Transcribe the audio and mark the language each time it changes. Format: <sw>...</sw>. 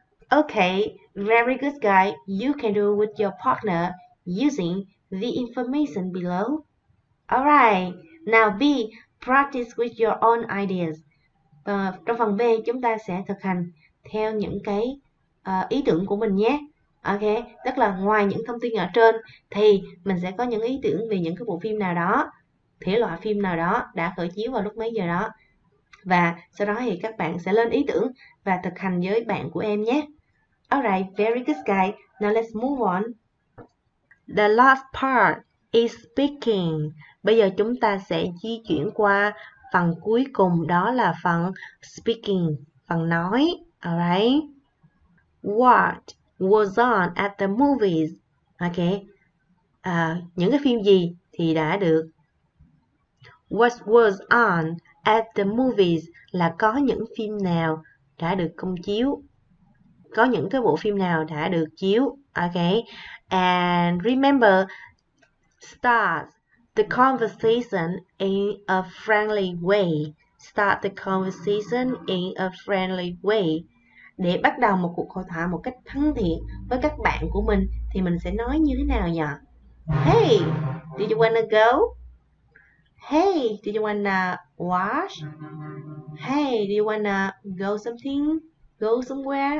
<en>Okay, very good guy. You can do it with your partner using the information below. All right, now B, practice with your own ideas.</en> <vi>Trong phần B, chúng ta sẽ thực hành theo những cái ý tưởng của mình nhé. Ok, tức là ngoài những thông tin ở trên thì mình sẽ có những ý tưởng về những cái bộ phim nào đó, thể loại phim nào đó đã khởi chiếu vào lúc mấy giờ đó. Và sau đó thì các bạn sẽ lên ý tưởng và thực hành với bạn của em nhé.</vi> <en>Alright, very good guys. Now let's move on. The last part is speaking.</en> <vi>Bây giờ chúng ta sẽ di chuyển qua phần cuối cùng, đó là phần speaking, phần nói. Alright.</vi> <en>What was on at the movies? Ok.</en> <vi>Những cái phim gì thì đã được.</vi> <en>What was on at the movies</en> <vi>là có những phim nào đã được công chiếu. Có những cái bộ phim nào đã được chiếu. Ok.</vi> <en>And remember, start the conversation in a friendly way. Start the conversation in a friendly way.</en> <vi>Để bắt đầu một cuộc hội thoại một cách thân thiện với các bạn của mình thì mình sẽ nói như thế nào nhỉ?</vi> <en>Hey, do you wanna go? Hey, do you wanna watch? Hey, do you wanna go something? Go somewhere?</en>